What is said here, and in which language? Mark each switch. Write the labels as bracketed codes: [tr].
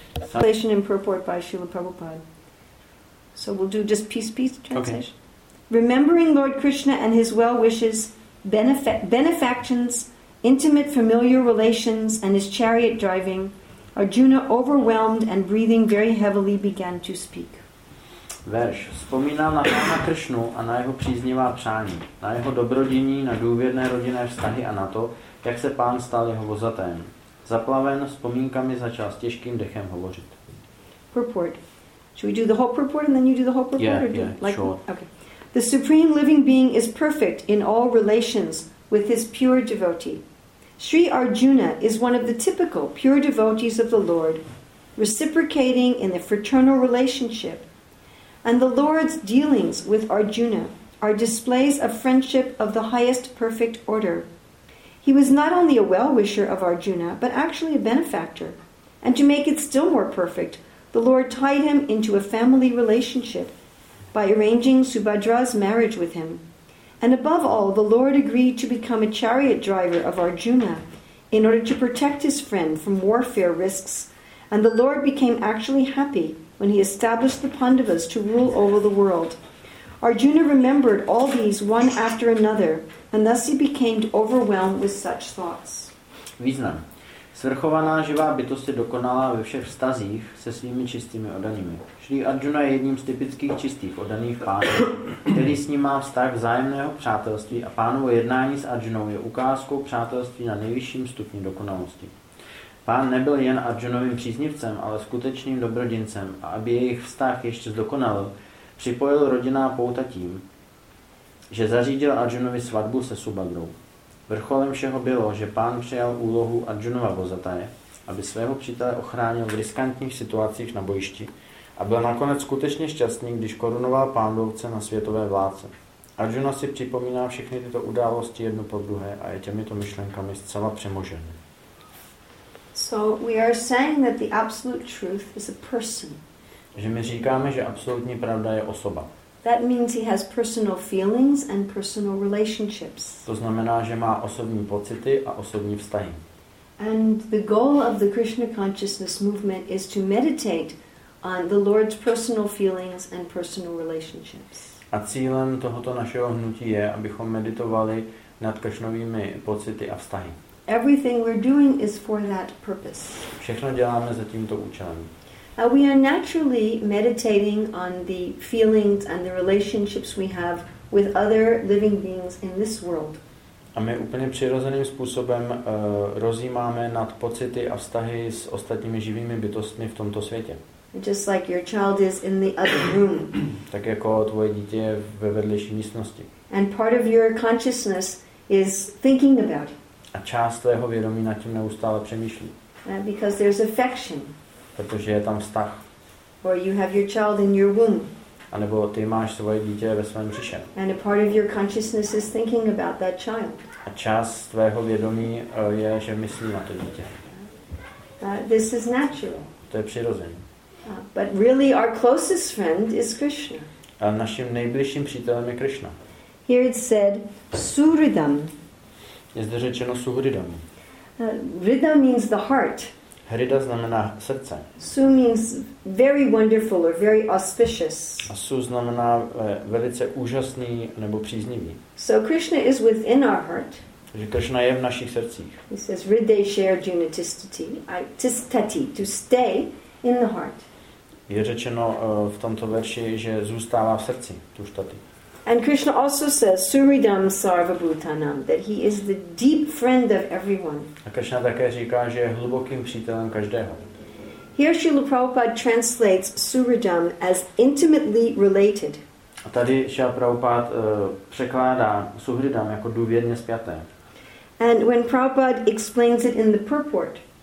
[en] Translation in purport by Srila Prabhupada. So we'll do just piece translation. Okay. Remembering Lord Krishna and his well wishes, benefactions, intimate familiar relations, and his chariot driving, Arjuna, overwhelmed and breathing very heavily, began to speak. [cs] Verš. Vzpomínal na pána Krishnu a na jeho příznivá přání, na jeho dobrodění, na důvěrné rodinné vztahy a na to, jak se pán stal jeho vozatém. Zaplaven vzpomínkami začal s těžkým dechem hovořit. [en] Purport. Should we do the whole purport and then you do the whole purport? Yeah, sure. The Supreme Living Being is perfect in all relations with his pure devotee. Sri Arjuna is one of the typical pure devotees of the Lord, reciprocating in the fraternal relationship. And the Lord's dealings with Arjuna are displays of friendship of the highest perfect order. He was not only a well-wisher of Arjuna, but actually a benefactor. And to make it still more perfect, the Lord tied him into a family relationship by arranging Subhadra's marriage with him. And above all, the Lord agreed to become a chariot driver of Arjuna in order to protect his friend from warfare risks. And the Lord became actually happy when he established the Pandavas to rule over the world. Arjuna remembered all these one after another, and thus he became overwhelmed with such thoughts. [cs] Význam. Svrchovaná živá bytost je dokonalá ve všech vztazích se svými čistými oddanými. Šri Arjuna je jedním z typických čistých oddaných pánů, který s ním má vztah vzájemného přátelství a pánovo jednání s Arjunou je ukázkou přátelství na nejvyšším stupni dokonalosti. Pán nebyl jen Arjunovým příznivcem, ale skutečným dobrodincem, a aby jejich vztah ještě zdokonalil, připojil rodinná pouta tím, že zařídil Arjunovi svatbu se Subhadrou. Vrcholem všeho bylo, že pán přijal úlohu Arjunova vozataje, aby svého přítele ochránil v riskantních situacích na bojišti a byl nakonec skutečně šťastný, když korunoval pánovce na světové vládce. Arjuna si připomíná všechny tyto události jednu po druhé a je těmito myšlenkami zcela přemožen. [en] So we are saying that the absolute truth is a person. [cs] Že my říkáme, že absolutní pravda je osoba. [en] That means he has personal feelings and personal relationships. [cs] To znamená, že má osobní pocity a osobní vztahy. [en] And the goal of the Krishna consciousness movement is to meditate on the Lord's personal feelings and personal relationships. [cs] A cílem tohoto našeho hnutí je, abychom meditovali nad Krishnovými pocity a vztahy. [en] Everything we're doing is for that purpose. [cs] Všechno děláme za tímto účelem. [en] Now we are naturally meditating on the feelings and the relationships we have with other living beings in this world. [cs] A my úplně přirozeným způsobem rozjímáme nad pocity a vztahy s ostatními živými bytostmi v tomto světě. [en] Just like your child is in the other room. [cs] Tak jako tvoje dítě je ve vedlejší místnosti. [en] And part of your consciousness is thinking about it. [cs] A část tvého vědomí nad tím neustále přemýšlí. [en] Because there's affection. [cs] Protože je tam vztah. [en] Or you have your child in your womb. [cs] A nebo ty máš svoje dítě ve svém břiše. [en] And a part of your consciousness is thinking about that child. [cs] A část tvého vědomí je, že myslí na to dítě. [en] This is natural. [cs] To je přirozené. [en] But really our closest friend is Krishna. [cs] A naším nejbližším přítelem je Krishna. [en] Here it said Suhridam. [cs] Je zde řečeno Suhridam. [en] Hrida means the heart. [cs] Hrida znamená srdce. [en] Su means very wonderful or very auspicious. [cs] A su znamená velice úžasný nebo příznivý. [en] So Krishna is within our heart. [cs] Že Krishna je v našich srdcích. [en] He says Hriday share junitistati. Tistati, to stay in the heart. [cs] Je řečeno v tomto verši, že zůstává v srdci, tuštati. [en] And Krishna also says [sa] Suridam sarvabhutanam, [en] that he is the deep friend of everyone. [cs] A Krishna také říká, že je hlubokým přítelem každého. [en] Here Srila Prabhupada translates Suridam as intimately related. [cs] A tady Srila Prabhupada překládá Suhridam jako důvěrně spjaté. [en] And when Prabhupada explains it in the purport,